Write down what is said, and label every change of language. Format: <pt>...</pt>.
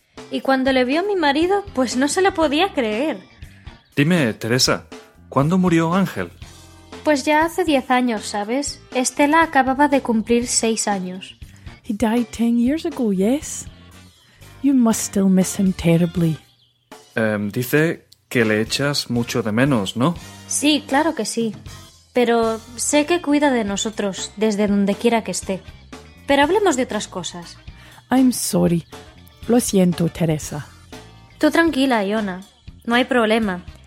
<es>Y cuando le vio a mi marido, pues no se lo podía creer. Dime, Teresa, ¿cuándo murió Ángel? Pues ya hace 10 años, ¿sabes? Estela acababa de cumplir 6 años.</es> <en>He died 10 years ago, yes. You must still miss him terribly.</en> <es>Dice que le echas mucho de menos, ¿no? Sí, claro que sí. Pero sé que cuida de nosotros desde donde quiera que esté. Pero hablemos de otras cosas.</es> <en>I'm sorry.</en> <es>Lo siento, Teresa. Tú tranquila, Iona. No hay problema.</es>